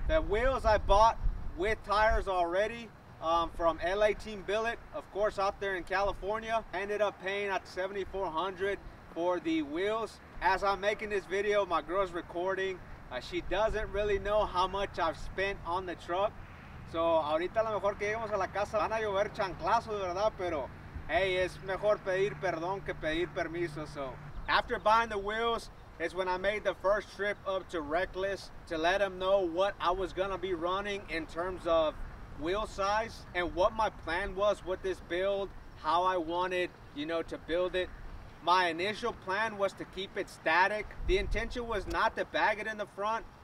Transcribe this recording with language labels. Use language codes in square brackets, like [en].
[en] The wheels I bought with tires already from LA Team Billet, of course, out there in California. I ended up paying at $7,400 for the wheels. As I'm making this video, my girl's recording. She doesn't really know how much I've spent on the truck. So, [es] ahorita a lo mejor que lleguemos a la casa, van a llover chanclazos, verdad? Pero, hey, es mejor pedir perdón que pedir permiso, [en] so. After buying the wheels, it's when I made the first trip up to Reklez to let them know what I was gonna be running in terms of wheel size and what my plan was with this build, how I wanted, you know, to build it. My initial plan was to keep it static. The intention was not to bag it in the front.